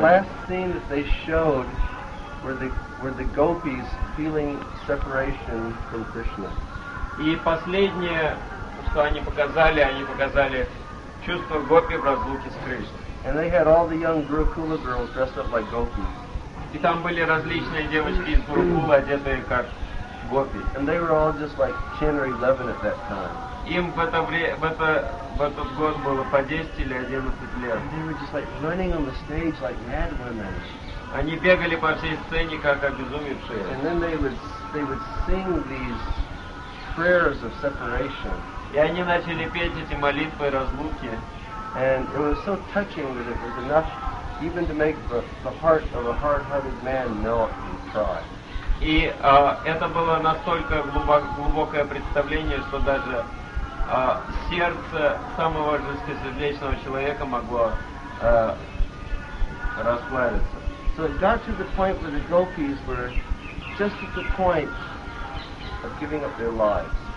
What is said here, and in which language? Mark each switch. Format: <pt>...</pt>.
<en>And the last scene that they showed were the gopis feeling separation from Krishna.</en> <ru>И последнее, что они показали, чувство гопи в разлуке с Кришной.</ru> <en>And they had all the young Gurukula girls dressed up like gopis.</en> <ru>И там были различные девочки из Гурукулы, одетые как гопи.</ru> <en>And they were all just like 10 or 11 at that time.</en> <ru>Им в этот год было по 10 или 11 лет.</ru> <en>And they were just like running on the stage like mad women.</en> <ru>Они бегали по всей сцене как обезумевшие.</ru> <en>And then they would sing these prayers of separation.</en> <ru>И они начали петь эти молитвы разлуки.</ru> <en>And it was so touching that it was enough even to make the heart of a hard-hearted man melt and cry.</en> <ru>И это было настолько глубокое представление, что даже сердце самого жестокосердечного человека могло расплавиться.</ru> <en>So it got to the point where the gopis were just at the point of giving up their lives.</en>